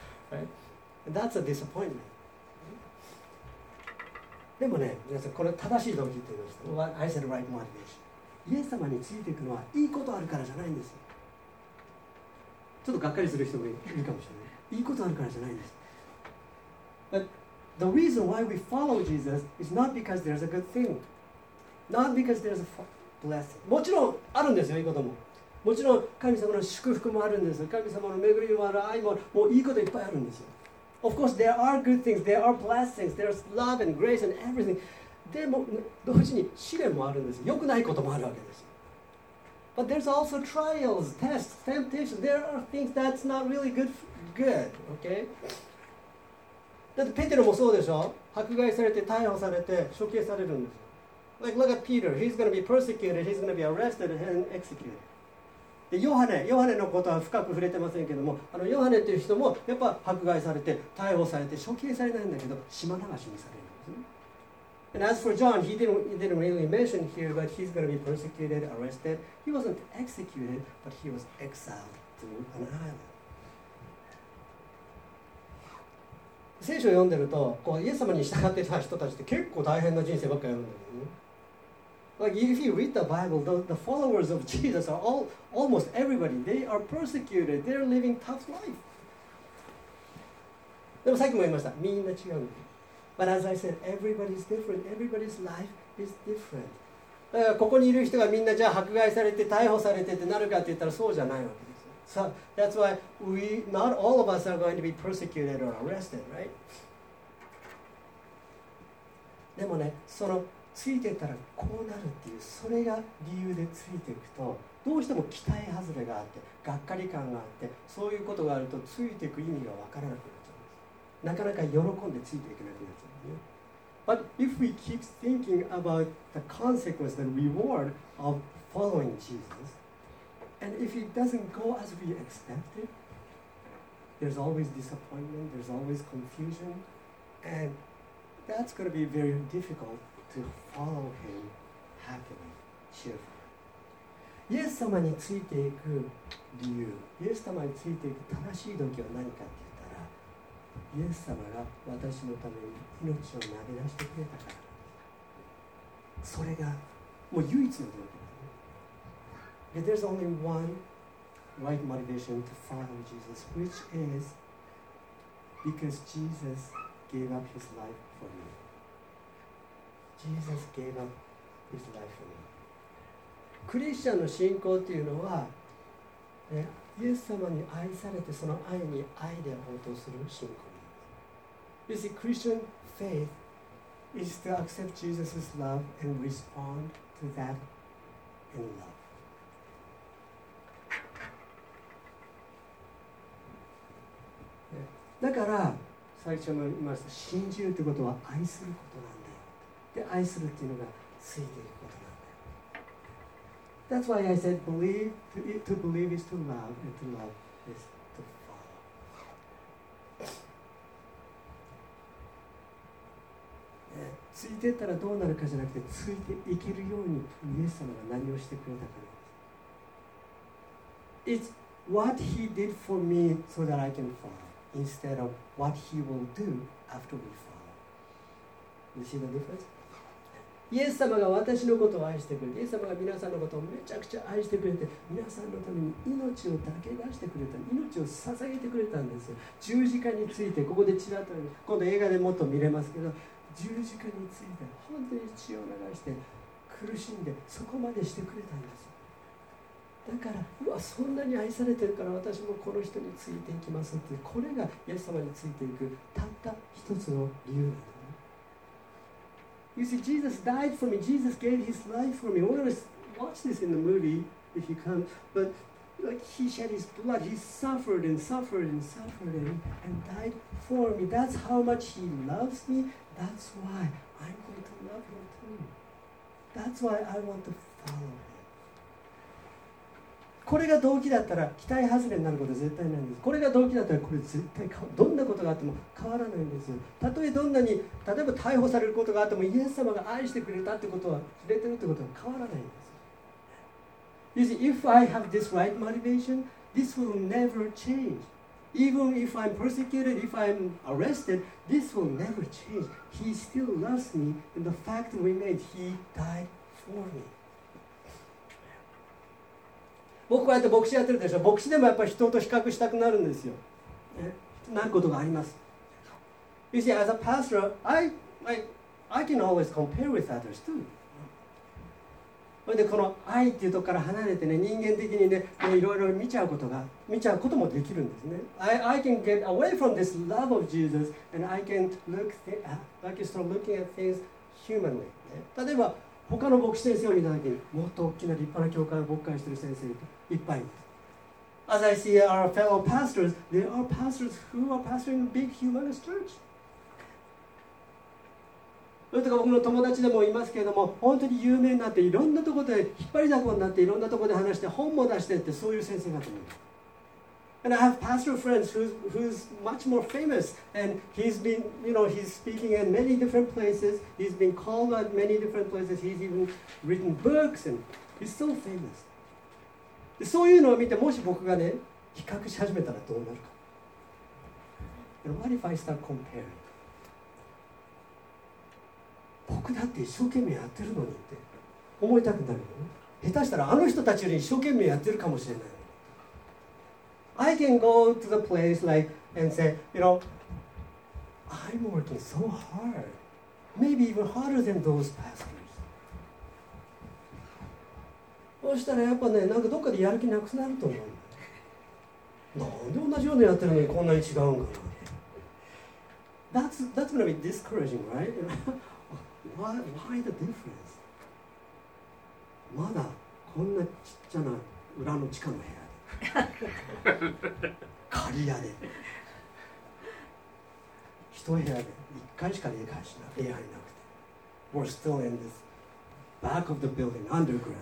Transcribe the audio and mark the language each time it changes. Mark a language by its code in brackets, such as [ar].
[en] Right? And that's a disappointment. [ja] でもね、皆さんこれ正しい動機って言いました。 [en] What I said right motivation. [ja] イエス様についていくのはいいことあるからじゃないんですよ。ちょっとがっかりする人もいるかもしれない。いいことあるからじゃないんです。 [en] But the reason why we follow Jesus is not because there's a good thing. Not because there's a blessing. [ja] もちろんあるんですよ、いいことも。もちろん神様の祝福もあるんですよ。神様の恵みもある、愛もある。もういいこといっぱいあるんですよ。 [en] Of course, there are good things, there are blessings, there's love and grace and everything. でも、同時に試練もあるんですよ。良くないこともあるわけです。 But there's also trials, tests, temptations. There are things that's not really good, good, okay? [ja] だってペテロもそうでしょ。迫害されて、逮捕されて、処刑されるんですよ。 [en] Like, look at Peter. He's going to be persecuted, he's going to be arrested and executed. [ja] でヨハネのことは深く触れてませんけども、あのヨハネという人もやっぱ迫害されて逮捕されて処刑されないんだけど島流しにされるんですね。 [en] And as for John, he didn't really mention here, but he's going to be persecuted, arrested. He wasn't executed, but he was exiled to an island. [ja] 聖書を読んでると、こうイエス様に従ってた人たちって結構大変な人生ばっかり読んでるんですね。 [en] Like if you read the Bible, the followers of Jesus are almost everybody. They are persecuted. They are living tough life. [ja] でもさっきも言いました。みんな違う。 [en] But as I said, everybody is different. Everybody's life is different. [ja] だからここにいる人がみんなじゃあ迫害されて逮捕されてってなるかって言ったらそうじゃないわけです。 [en] So that's why not all of us are going to be persecuted or arrested, right? [ja] でもね、そのついてたらこうなるっていう、それが理由でついていくと、どうしても期待外れがあって、がっかり感があって、そういうことがあるとついていく意味がわからなくなっちゃうんです。なかなか喜んでついていけなくなっちゃうんですね。 [en] But if we keep thinking about the consequence, the reward of following Jesus, and if it doesn't go as we expected, there's always disappointment, there's always confusion, and that's going to be very difficult. To follow him happily, cheerfully. [ja] イエス様についていく理由、イエス様についていく正しい動機は何かって言ったら、イエス様が私のために命を投げ出してくれたから。それがもう唯一の動機だね。 [en] There's only one right motivation to follow Jesus, which is because Jesus gave up his life for me. Jesus gave up his life for me. [ja] クリスチャンの信仰というのは、イエス様に愛されてその愛に愛で応答する信仰です。 [en] You see, Christian faith is to accept Jesus' love and respond to that in love. [ja] だから、最初も言いました、信じるということは愛することなんです。で愛するっていうのがついていくことなんだよ。 [en] That's why I said to believe is to love and to love is to follow. [ja] ついていったらどうなるかじゃなくて、ついていけるようにイエス様が何をしてくれたかなんです。 [en] It's what he did for me so that I can follow instead of what he will do after we follow. You see the difference? [ja] イエス様が私のことを愛してくれて、イエス様が皆さんのことをめちゃくちゃ愛してくれて、皆さんのために命を投げ出してくれた、命を捧げてくれたんですよ。十字架について、ここでちらっと今度映画でもっと見れますけど、十字架について本当に血を流して苦しんでそこまでしてくれたんですよ。だから、うわ、そんなに愛されてるから私もこの人についていきますって、これがイエス様についていくたった一つの理由なんです。 [en] You see, Jesus died for me. Jesus gave his life for me. We're going to watch this in the movie if you come. But like, he shed his blood. He suffered and suffered and suffered and died for me. That's how much he loves me. That's why I'm going to love him too. That's why I want to follow him. [ja] これが動機だったら期待外れになること絶対ないんです。これが動機だったらこれ絶対どんなことがあっても変わらないんです。たとえどんなに例えば逮捕されることがあってもイエス様が愛してくれたってことは触れてるってことは変わらないんです。 [en] You see, if I have this right motivation, this will never change. Even if I'm persecuted, if I'm arrested, this will never change. He still loves me and the fact remains, he died for me. [ja] 僕こうやって牧師やってるでしょ。牧師でもやっぱり人と比較したくなるんですよ。なることがあります。 [en] You see, as a pastor, I can always compare with others too. [ja] それでこの愛っていうとこから離れてね、人間的にね、いろいろ見ちゃうことが、見ちゃうこともできるんですね。 [en] I can get away from this love of Jesus and I can look like you start looking at things humanly. [ja] 例えば、他の牧師先生を見たときに、もっと大きな立派な教会を牧会している先生がいっぱいいます。 [en] As I see our fellow pastors, there are pastors who are pastoring a big humanist church. [ja] それとか僕の友達でもいますけれども、本当に有名になって、いろんなところで引っ張りだこになって、いろんなところで話して、本も出してって、そういう先生がいます。 [en] And I have pastor friends who's much more famous, and he's been, you know, he's speaking in many different places. He's been called at many different places. He's even written books, and he's so famous. [ja] そういうのを見て、もし僕がね、比較し始めたらどうなるか。 [en] And what if I start comparing? [ja] 僕だって一生懸命やってるのにって思いたくなるよね。下手したらあの人たちより一生懸命やってるかもしれない。 [en] I can go to the place like and say, you know, I'm working so hard, maybe even harder than those pastors. [ja] そしたらやっぱね、なんかどっかでやる気なくなると思う。なんで同じようにやってるのにこんなに違うんかな。 [en] That's gonna be discouraging, right? why the difference? [ja] まだこんなちっちゃな裏の地下の部屋。借り屋で一部屋で一回しか礼拝しない礼拝なくて [en] We're still in this back of the building underground